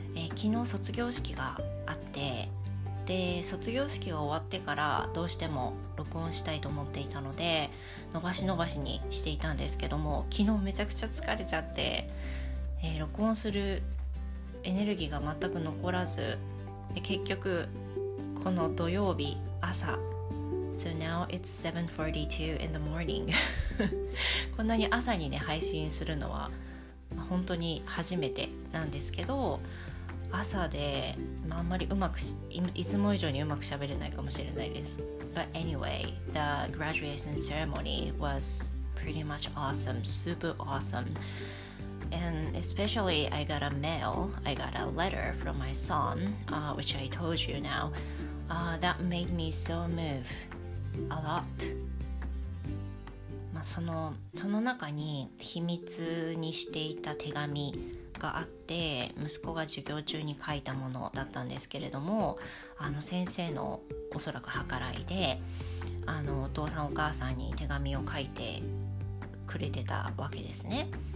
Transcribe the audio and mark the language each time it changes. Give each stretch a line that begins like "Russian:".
Japanese: 昨日卒業式があって、で卒業式が終わってからどうしても録音したいと思っていたので伸ばし伸ばしにしていたんですけども、昨日めちゃくちゃ疲れちゃって、録音するエネルギーが全く残らず、で結局この土曜日朝
English: So now it's 7:42 in the morning
Japanese: こんなに朝にね配信するのは本当に初めてなんですけど、朝で、まあ、あんまりうまくし、いつも以上にうまく喋れないかもしれないです。
English: But anyway, the graduation ceremony was pretty much awesome, super awesome. And especially I got a mail, I got a letter from my son, which I told you now, that made me so move a lot.
Japanese: まあその中に秘密にしていた手紙があって、息子が授業中に書いたものだったんですけれども、あの先生のおそらく計らいで、あのお父さんお母さんに手紙を書いてくれてたわけですね。